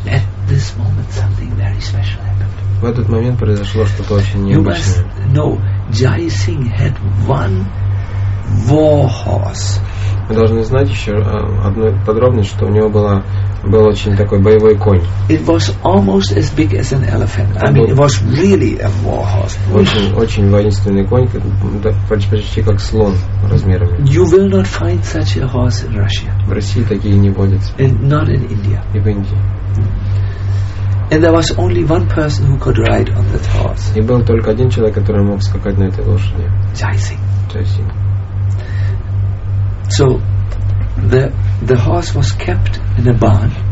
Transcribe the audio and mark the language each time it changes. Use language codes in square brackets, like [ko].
[en] At this moment something very special happened. [ru] В этот момент произошло что-то очень необычное. [en] No, Jai Singh had one war horse. [ru] Вы должны знать еще одну подробность, что у него был очень такой боевой конь. [en] It was almost as big as an elephant. I mean, it was really a war horse. [ru] Очень воинственный конь, почти как слон размерами. [en] You will not find such a horse in Russia. [ru] В России такие не водятся. [en] And not in India. [ru] И в Индии. [en] And there was only one person who could ride on that horse. [ru] И был только один человек, который мог скакать на этой лошади. [en] Jai Singh. Jai Singh. So the horse was kept in a barn.